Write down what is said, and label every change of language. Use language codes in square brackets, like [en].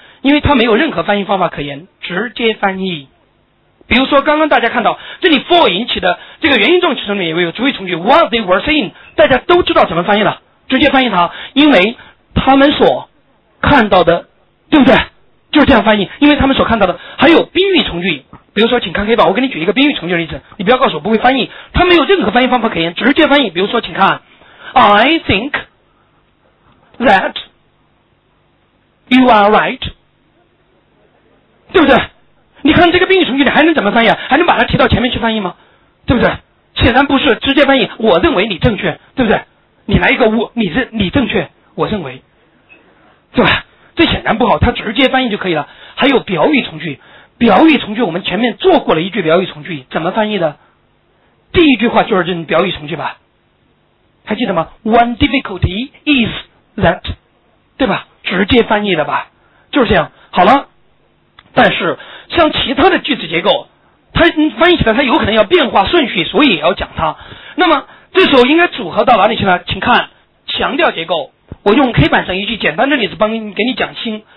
[zh] 因为它没有任何翻译方法可言，直接翻译。比如说刚刚大家看到这里 for 引起的这个原因状语从句也有主语从句 [en] what they were saying, [zh] 大家都知道怎么翻译了，直接翻译它，因为他们所看到的，对不对？就是这样翻译，因为他们所看到的。还有宾语从句，比如说请看黑板，我给你举一个宾语从句的例子，你不要告诉我不会翻译，它没有任何翻译方法可言，直接翻译。比如说请看 [en] I think that you are right, [zh] 对不对？你看这个宾语从句你还能怎么翻译？还能把它提到前面去翻译吗？对不对？显然不是，直接翻译我认为你正确，对不对？你来一个我，你正确，我认为，对吧？这显然不好，它直接翻译就可以了。还有表语从句，表语从句我们前面做过了一句表语从句，怎么翻译的？第一句话就是这表语从句吧，还记得吗？ [en] One difficulty is that, [zh] 对吧？直接翻译的吧，就是这样。好了，但是像其他的句子结构，它翻译起来它有可能要变化顺序，所以也要讲它。那么这时候应该组合到哪里去呢？请看强调结构，我用黑板上一句简单的例子帮你给你讲清。